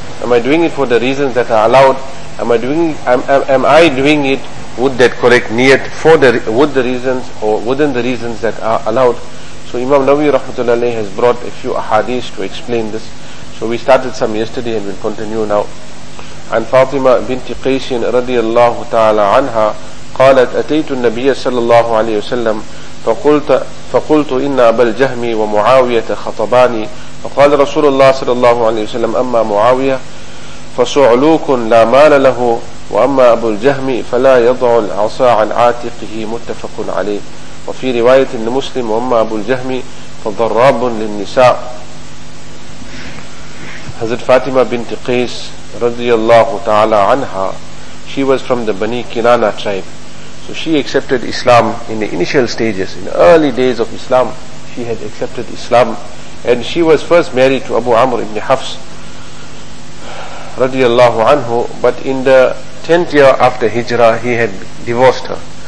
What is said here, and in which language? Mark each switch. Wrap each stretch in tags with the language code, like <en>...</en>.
<en>Am I doing it for the reasons that are allowed? Am I doing it? Would that correct niyat for the with the reasons or within the reasons that are allowed? So Imam Nawawi rahmatullah has brought a few ahadith to explain this. So we started some yesterday and we'll continue now.</en> <ar>And Fatima binti Qais radiallahu ta'ala anha قالت أتيت النبي صلى الله عليه وسلم فقلت إن أبا الجهم ومعاوية خطباني فقال رسول الله صلى الله عليه وسلم أما معاوية فصعلوك لا مال له وأما أبو الجهم فلا يضع العصا عن عاتقه متفق عليه وفي رواية لمسلم وأما أبو الجهم فضراب للنساء.</ar> <en>حضرت فاطمة بنت قيس رضي الله تعالى عنها, she was from the Bani Kinana tribe. So she accepted Islam in the initial stages, in the early days of Islam, she had accepted Islam. And she was first married to Abu Amr ibn Hafs radiallahu anhu, but in the 10th year after Hijrah, he had divorced her.</en>